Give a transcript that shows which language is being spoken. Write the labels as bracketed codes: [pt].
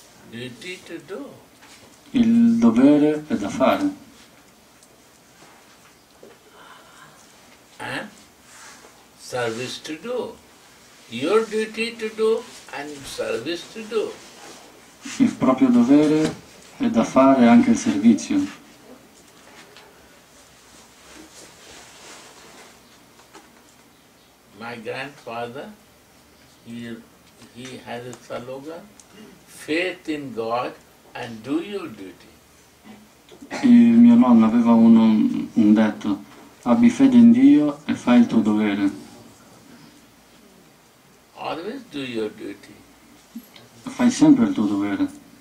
[en] Duty to do. [it] Il dovere è da fare. [en] Service to do. Your duty to do and service to do. [it] Il proprio dovere è da fare anche il servizio. [en] My grandfather, he has a slogan, faith in God and do your duty. [it] Il mio nonno aveva un detto, abbi fede in Dio e fai il tuo dovere. [en] Always do your duty. [it] Fai sempre il tuo dovere.